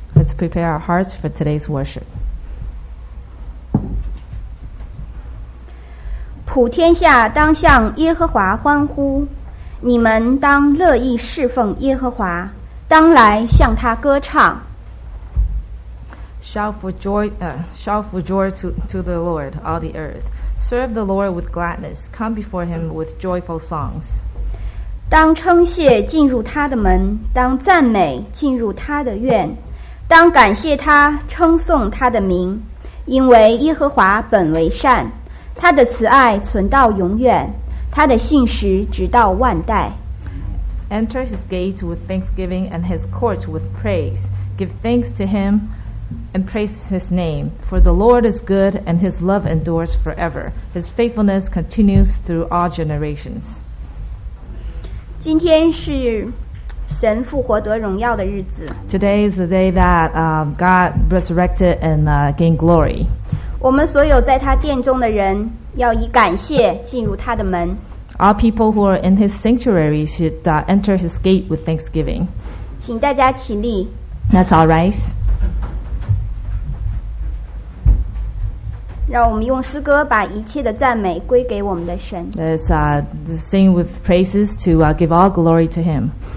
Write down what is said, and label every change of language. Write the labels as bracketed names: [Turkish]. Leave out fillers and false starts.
[English] Let's prepare our hearts for today's worship. [Chinese] 普天下当向耶和华欢呼，你们当乐意侍奉耶和华，当来向他歌唱。 [English] Shout for joy to the Lord, all the earth. Serve the Lord with gladness. Come before him with joyful songs. [Chinese] 当称谢进入他的门，当赞美进入他的院，当感谢他，称颂他的名，因为耶和华本为善，他的慈爱存到永远，他的信实直到万代。 [English] Enter his gates with thanksgiving and his courts with praise. Give thanks to him. And praise his name, for the Lord is good, and his love endures forever. His faithfulness continues through all generations. [Chinese] 今天是神复活得荣耀的日子。 [English] Today is the day that God resurrected and gained glory. [Chinese] 我们所有在他殿中的人要以感谢进入他的门。 [English] All people who are in his sanctuary should enter his gate with thanksgiving. [Chinese] 请大家起立。 [English] Let's all rise. [Chinese] 让我们用诗歌把一切的赞美归给我们的神。 [English] Let's sing with praises to give all glory to him.